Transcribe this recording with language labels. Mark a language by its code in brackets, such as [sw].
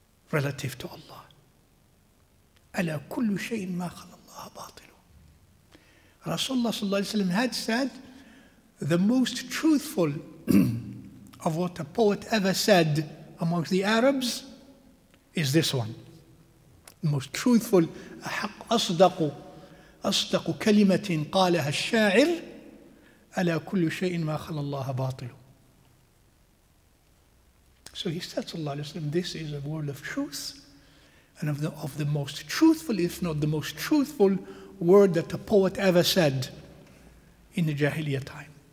[en] Relative to Allah. [ar] أَلَا كُلُّ شَيْءٍ مَا خَلَى اللَّهَ بَاطِلُ [en] Rasulullah صلى الله عليه وسلم had said, the most truthful of what a poet ever said amongst the Arabs is this one. The most truthful, [ar] أصدق كلمة قالها الشاعر ألا كل شيء ما خلى الله باطل. [en] So he said صلى الله عليه وسلم, this is a word of truth and of the most truthful, if not the most truthful word that a poet ever said in the Jahiliyyah time.